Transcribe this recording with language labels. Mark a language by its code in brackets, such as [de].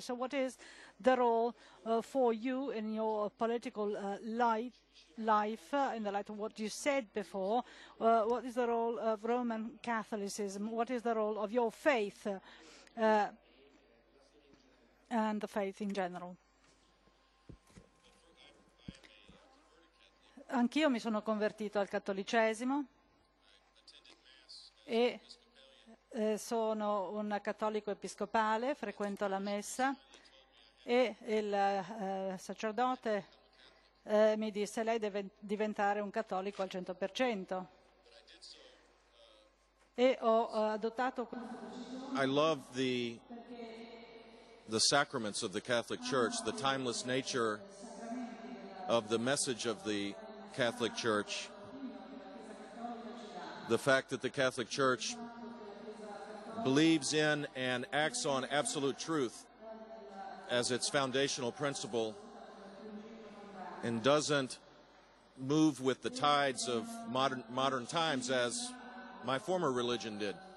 [en] So what is the role for you in your political life, in the light of what you said before? What is the role of Roman Catholicism? What is the role of your faith and the faith in general? [it] Anch'io mi sono convertito al cattolicesimo e sono un cattolico episcopale, frequento la messa e il sacerdote mi disse: lei deve diventare un cattolico al 100%. E ho adottato. [en] I love the sacraments of the Catholic Church, the timeless nature of the message of the Catholic Church, the fact that the Catholic Church believes in and acts on absolute truth as its foundational principle and doesn't move with the tides of modern times as my former religion did.